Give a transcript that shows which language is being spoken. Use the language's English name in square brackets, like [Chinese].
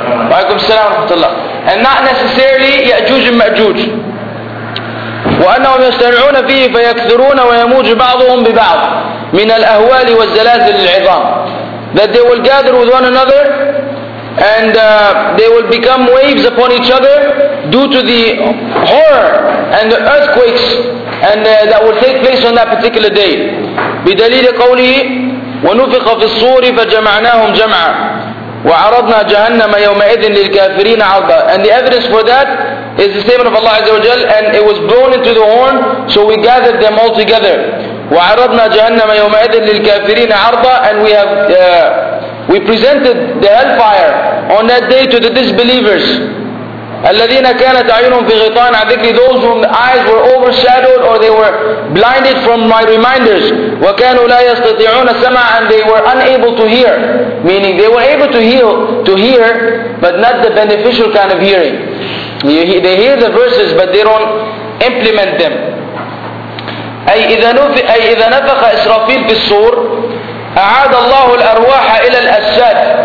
[Arabic] وَعَلَيْكُمْ السَّلَامُ وَرَحْمَةُ اللَّهِ. [English] And not necessarily [Arabic] يَأْجُوجُ مَأْجُوجُ. وأنهم يسترعون فيه فيكثرون ويموج بعضهم ببعض من الأهوال والزلازل العظام. [English] That they will gather with one another and they will become waves upon each other due to the horror and the earthquakes and that will take place on that particular day. [Arabic] بدليل قوله ونفق في الصور فجمعناهم جمعا وعرضنا جهنم يومئذ للكافرين عرضا. [English] And the evidence for that is the statement of Allah Azza wa Jal, and it was blown into the horn, so we gathered them all together. [Arabic] وعرضنا جهنم يومئذ للكافرين عرضا. [English] And we have we presented the hellfire on that day to the disbelievers. [Arabic] الذين كانت عينهم في غطاء عن ذكري. [English] Those whom the eyes were overshadowed or they were blinded from my reminders. [Arabic] وكانوا لا يستطيعون سمع. [English] And they were unable to hear. Meaning they were able to hear but not the beneficial kind of hearing. They hear the verses but they don't implement them. [Arabic] أي إذا نفخ إسرافيل في الصور أعاد الله الأرواح إلى الأجساد.